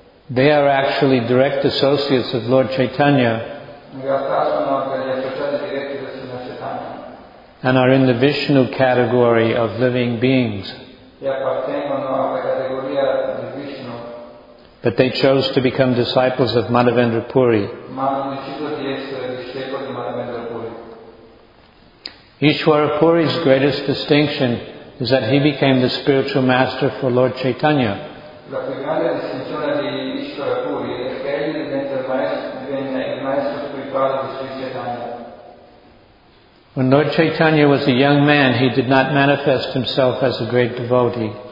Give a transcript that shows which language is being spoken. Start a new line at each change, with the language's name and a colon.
English: They are actually direct associates of Lord Chaitanya.
Italian: In realtà sono degli associati diretti del Signor Chaitanya.
English: And are in the Vishnu category of living beings.
Italian: E appartengono alla categoria di Vishnu.
English: But they chose to become disciples of Madhavendra Puri.
Italian: Ma hanno deciso di essere discepoli di Madhavendra Puri.
English: Ishvara Puri's greatest distinction is that he became the spiritual master for Lord Chaitanya.
Italian: La più grande distinzione di Ishvara Puri è che egli divenne il maestro spirituale di Sri Chaitanya.
English: When Lord Chaitanya was a young man, he did not manifest himself as a great devotee.